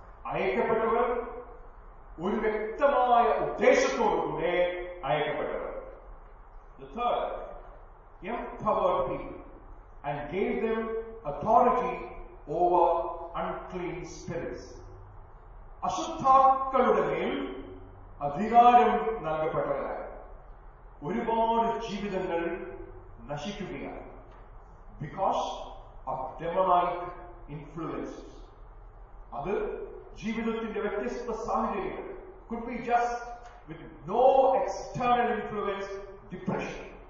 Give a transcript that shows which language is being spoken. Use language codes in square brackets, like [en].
[ml] അയക്കപ്പെട്ടവർ ഒരു വ്യക്തമായ ഉദ്ദേശത്തോടു കൂടെ അയക്കപ്പെട്ടവർ. [en] The third empowered people and gave them authority over unclean spirits. [ml] അശുദ്ധാക്കളുടെ മേൽ അധികാരം നൽകപ്പെട്ടവരായി ഒരുപാട് ജീവിതങ്ങൾ നശിക്കുകയാണ്. [en] Because of demonic influence. [ml] അത് ജീവിതത്തിന്റെ വ്യത്യസ്ത സാഹചര്യങ്ങൾ. [en] Could be just with no external influence depression.